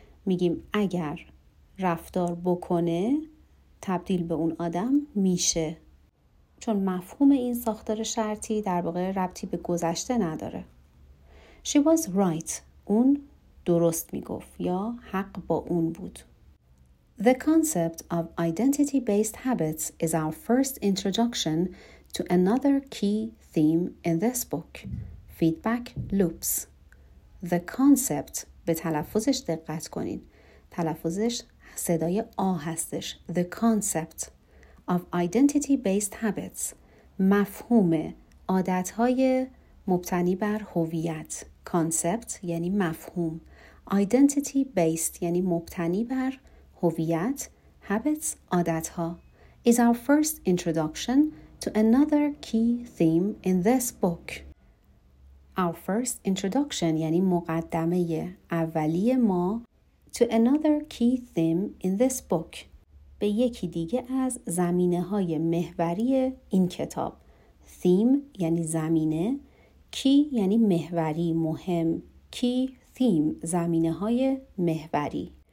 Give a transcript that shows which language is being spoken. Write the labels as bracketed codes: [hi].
[fa] میگیم اگر رفتار بکنه تبدیل به اون آدم میشه، چون مفهوم این ساختار شرطی در واقع ربطی به گذشته نداره. [en] She was right. [fa] اون درست میگفت یا حق با اون بود. [en] The concept of identity-based habits is our first introduction to another key theme in this book. Feedback loops. The concept، [fa] به تلفظش دقت کنین. تلفظش صدای آ هستش. [en] The concept of identity-based habits، [fa] مفهوم عادت‌های مبتنی بر هویت. Concept یعنی مفهوم. Identity-based یعنی مبتنی بر هویت. Habits عادت‌ها. [en] Is our first introduction to another key theme in this book. Our first introduction [fa] یعنی مقدمه اولی ما [en] to another key theme in this book، [fa] به یکی دیگه از زمینه‌های محوری این کتاب. Theme یعنی زمینه، key یعنی محوری، مهم. Key theme زمینه‌های محوری.